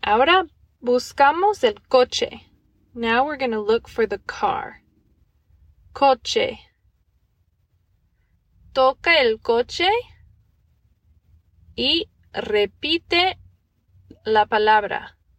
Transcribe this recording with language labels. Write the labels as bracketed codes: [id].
[es] Ahora buscamos el coche. [en] Now we're going to look for the car. [es] Coche. Toca el coche y repite la palabra.